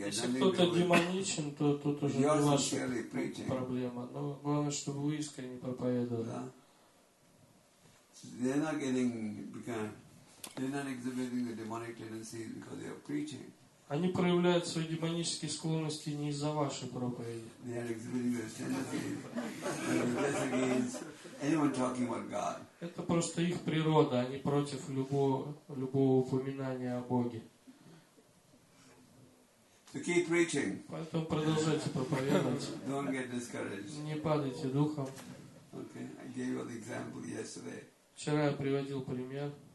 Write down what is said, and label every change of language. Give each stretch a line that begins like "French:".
Russian: если кто-то демоничен, то тут уже не ваша проблема. Но главное, чтобы вы искренне проповедовали. Yeah.
English: So they're not getting, because they're not exhibiting the demonic tendencies because they are preaching.
Russian: Они проявляют свои демонические склонности не из-за вашей проповеди.
English: They are exhibiting their tendencies against anyone talking about God.
Russian: Это просто их природа. Они против любого упоминания о Боге.
English: So keep preaching.
Russian: Поэтому продолжайте проповедовать.
English: Don't get discouraged.
Russian: Не падайте духом.
English: Okay. I gave you an example yesterday.
Russian: Вчера я приводил пример.